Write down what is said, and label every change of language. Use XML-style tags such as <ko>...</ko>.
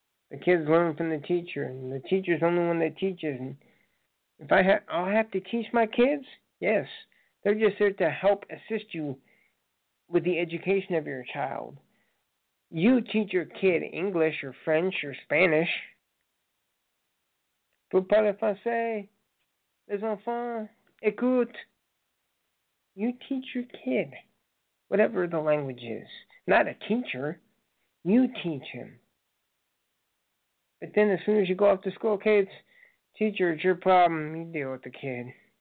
<en>The kids learn from the teacher. And the teacher's the only one that teaches. And if I'll have to teach my kids? Yes. They're just there to help assist you with the education of your child. You teach your kid English or French or Spanish.</en> <fr>Vous parlez français, les enfants, écoute.</fr> <en>You teach your kid, whatever the language is. Not a teacher, you teach him. But then as soon as you go off to school, kids, teacher, it's your problem, you deal with the kid.</en>